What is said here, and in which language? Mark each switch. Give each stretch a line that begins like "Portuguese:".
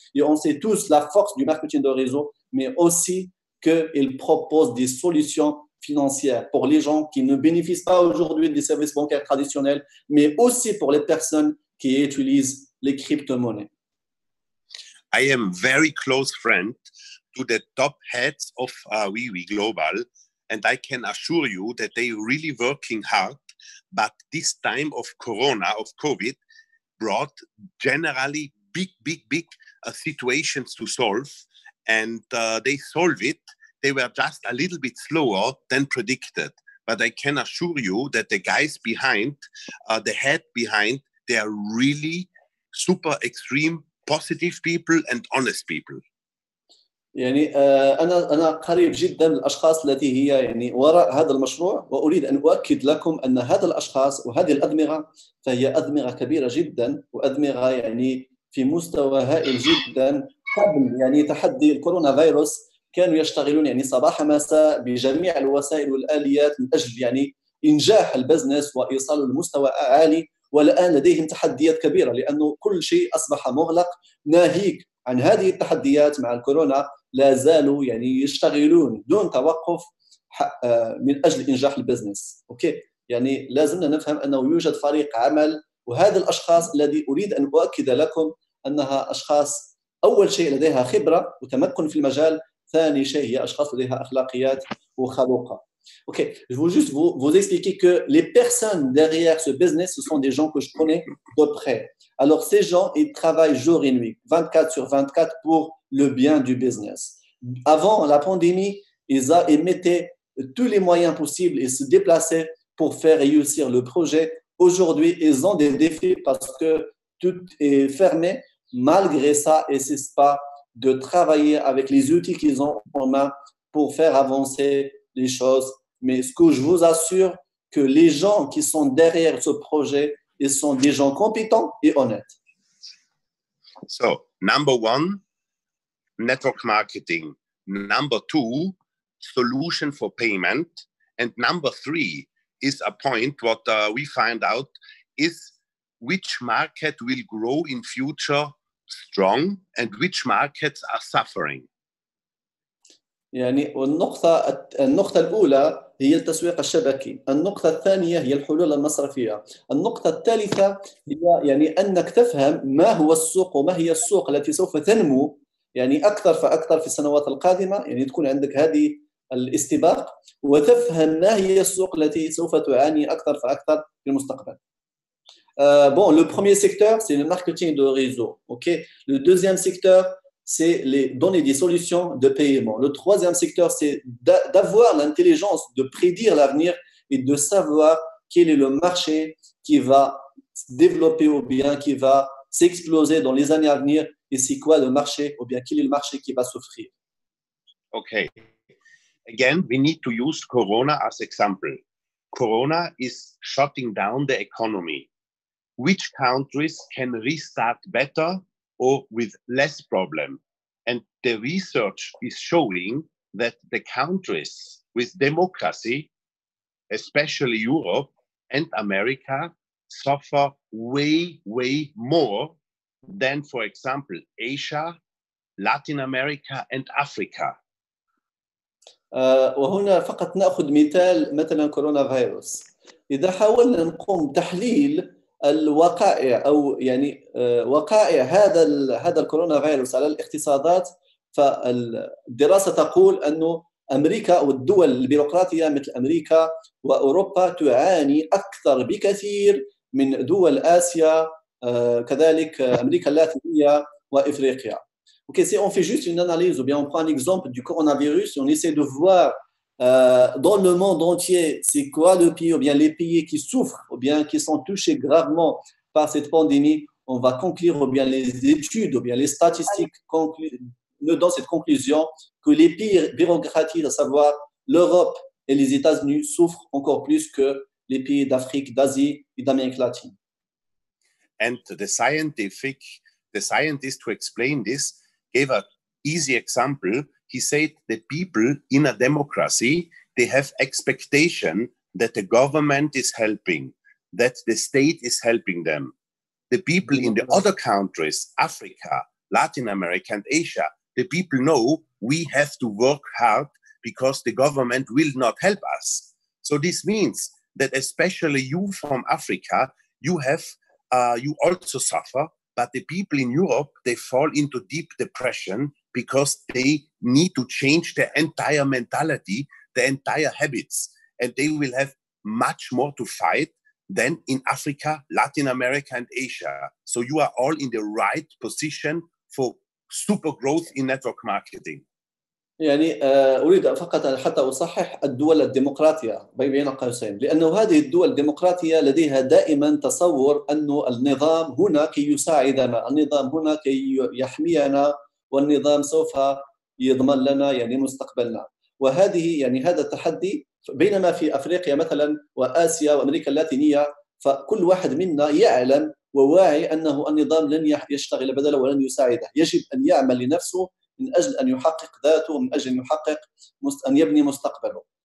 French: Et on sait tous la force du marketing de réseau, mais aussi qu'il propose des solutions financières pour les gens qui ne bénéficient pas aujourd'hui des services bancaires traditionnels, mais aussi pour les personnes qui utilisent les crypto-monnaies.
English: I am very close friend to the top heads of WeWe Global, and I can assure you that they really working hard, but this time of Corona, of COVID, brought generally big, big, big situations to solve, and they solve it. They were just a little bit slower than predicted, but I can assure you that the guys behind, the head behind, they are really super extreme positive people and honest people.
Arabic: يعني أنا قريب جدا الأشخاص التي هي يعني وراء هذا المشروع، وأريد أن أؤكد لكم أن هذا الأشخاص وهذه الأدمغة فهي أدمغة كبيرة جدا، وأدمغة يعني في مستوى هائل جدا. قبل يعني تحدي الكورونا فيروس كانوا يشتغلون يعني صباح مساء بجميع الوسائل والآليات من أجل يعني إنجاح البزنس وإيصاله لمستوى عالي، والآن لديهم تحديات كبيرة لأنه كل شيء أصبح مغلق. ناهيك عن هذه التحديات مع الكورونا، لا زالوا يعني يشتغلون دون توقف من أجل إنجاح البزنس. أوكي، يعني لازمنا نفهم أنه يوجد فريق عمل، وهذا الأشخاص الذي أريد أن أؤكد لكم أنها أشخاص أول شيء لديها خبرة وتمكن في المجال، ثاني شيء هي أشخاص لديها أخلاقيات وخلوقة.
French: Ok, je veux juste vous expliquer que les personnes derrière ce business, ce sont des gens que je connais de près. Alors ces gens, ils travaillent jour et nuit, 24 sur 24 pour le bien du business. Avant la pandémie, ils mettaient tous les moyens possibles et se déplaçaient pour faire réussir le projet. Aujourd'hui, ils ont des défis parce que tout est fermé. Malgré ça, ils ne cessent pas de travailler avec les outils qu'ils ont en main pour faire avancer les choses. Mais ce que je vous assure, que les gens qui sont derrière ce projet, ils sont des gens compétents et honnêtes.
English: So, number one, network marketing. Number two, solution for payment. And number three is a point what we find out is which market will grow in future strong and which markets are suffering.
Arabic: يعني النقطة الأولى هي التسويق الشبكي، النقطة الثانية هي الحلول المصرفية، النقطة الثالثة هي يعني أنك تفهم ما هو السوق وما هي السوق التي سوف تنمو يعني أكثر فأكثر في السنوات القادمة، يعني تكون عندك هذه الاستباق وتفهم ما هي السوق التي سوف تعاني أكثر فأكثر في المستقبل.
French: Bon, le premier secteur c'est le marketing de réseau. OK, le deuxième secteur c'est les donner des solutions de paiement. Le troisième secteur, c'est d'avoir l'intelligence de prédire l'avenir et de savoir quel est le marché qui va se développer ou bien qui va s'exploser dans les années à venir, et c'est quoi le marché ou bien quel est le marché qui va souffrir.
English: OK. Again, we need to use Corona as example. Corona is shutting down the economy. Which countries can restart better or with less problem? And the research is showing that the countries with democracy, especially Europe and America, suffer way, way more than, for example, Asia, Latin America and Africa.
Arabic: وهنا فقط نأخذ مثلا كورونا فيروس. إذا حاولنا نقوم تحليل الوقائع او يعني وقائع هذا الكورونا فيروس على الاقتصادات، فالدراسه تقول انه امريكا والدول البيروقراطيه مثل امريكا واوروبا تعاني اكثر بكثير من دول اسيا، كذلك امريكا اللاتينيه وافريقيا.
French: اوكي سي اون في جوست اون اناليز او بيان اون بران اكزومبل دو كورونا فيروس اون ايسي دو فوار dans le monde entier, c'est quoi le pays ou bien les pays qui souffrent ou bien qui sont touchés gravement par cette pandémie? On va conclure ou bien les études ou bien les statistiques dans cette conclusion que les pays bureaucratiques, à savoir l'Europe et les États-Unis, souffrent encore plus que les pays d'Afrique, d'Asie et d'Amérique latine.
English: And the scientist to explain this gave an easy example. He said the people in a democracy, they have expectation that the government is helping, that the state is helping them. The people in the other countries, Africa, Latin America and Asia, the people know we have to work hard because the government will not help us. So this means that especially you from Africa, you also suffer, but the people in Europe, they fall into deep depression because they need to change their entire mentality, their entire habits, and they will have much more to fight than in Africa, Latin America, and Asia. So you are all in the right position for super growth in network marketing.
Arabic: يعني أريد فقط حتى أصحح الدول الديمقراطية بين قوسين، لأن هذه الدول الديمقراطية لديها دائما تصور أنه النظام هنا كي يساعدنا، النظام هنا كي يحمينا، والنظام سوف يضمن لنا يعني مستقبلنا. وهذه يعني هذا التحدي, بينما في أفريقيا مثلا وآسيا وأمريكا اللاتينية فكل واحد منا يعلم وواعي أنه النظام لن يشتغل بدلا ولن يساعده, يجب أن يعمل لنفسه من أجل أن يحقق ذاته ومن أجل أن يحقق أن يبني مستقبله.